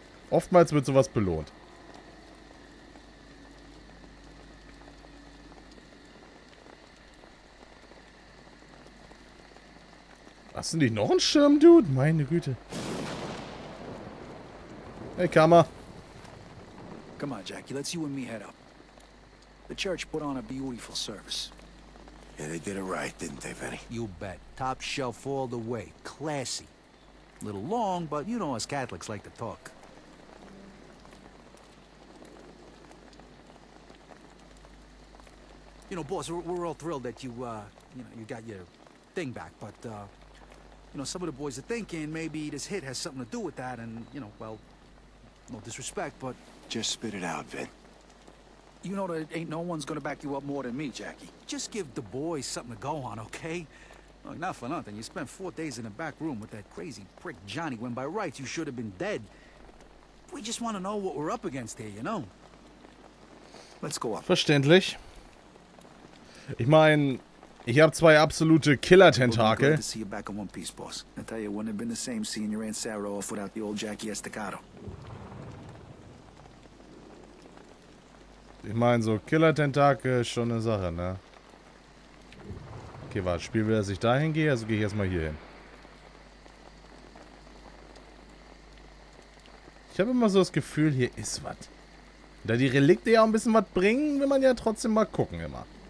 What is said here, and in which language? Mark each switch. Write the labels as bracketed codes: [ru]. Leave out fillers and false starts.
[de] Oftmals wird sowas belohnt. Hast du nicht noch einen Schirm, Dude? Meine Güte. Hey, Kammer. [en] Come on, Jackie, let's you and me head up. The church put on a beautiful service. Yeah, they did it right, didn't they, Vinny? You bet. Top shelf all the way. Classy. A little long, but you know us Catholics like to talk. You know, boss, we're all thrilled that you got your thing back, but, you know, some of the boys are thinking maybe this hit has something to do with that, and, you know, well, no disrespect, but... Just spit it out, Vin. You know that ain't no one's gonna back you up more than me, Jackie. Just give the boys something to go on, okay? Look, not for nothing. You spent 4 days in the back room with that crazy prick Johnny when by rights you should have been dead. We just want to know what we're up against here, you know? Let's go up. [de] Verständlich. Ich meine, ich habe zwei absolute Killer-Tentakel. [en] To see you back in one piece, boss. I tell you, it wouldn't have been the same seeing your Aunt Sarah off without the old Jackie Estacado. [de] Ich meine, so Killer-Tentakel ist schon eine Sache, ne? Okay, warte, Spiel will, dass ich da hingehe, also gehe ich erstmal hier hin. Ich habe immer so das Gefühl, hier ist was. Da die Relikte ja auch ein bisschen was bringen, will man ja trotzdem mal gucken immer.